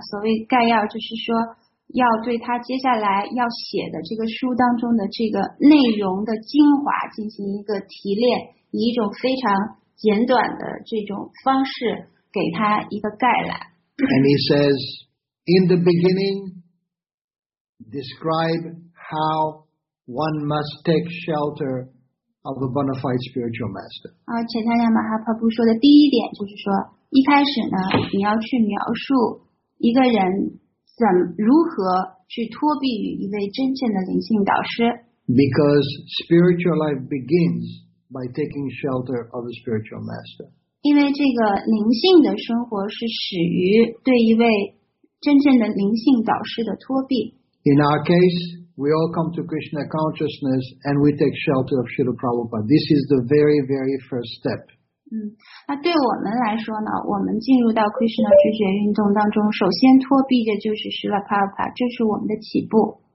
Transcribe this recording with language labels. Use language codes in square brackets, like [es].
[zh] 所谓概要就是说，要对他接下来要写的这个书当中的这个内容的精华进行一个提炼，以一种非常简短的这种方式给他一个概览。 [en] And he says, in the beginning, describe how one must take shelter of a bona fide spiritual master. [zh] 且他亚马哈帕布说的第一点就是说，一开始呢，你要去描述一个人如何去脱避于一位真正的灵性导师。 [en] Because spiritual life begins by taking shelter of a spiritual master. [zh] 因为这个灵性的生活是始于对一位真正的灵性导师的脱避。 [en] In our case, we all come to Krishna consciousness and we take shelter of Srila Prabhupada. This is the very, very first step. [zh] 那对我们来说呢，我们进入到 Krishna 知觉运动当中，首先脱避的就是 Srila Prabhupada， 这是我们的起步。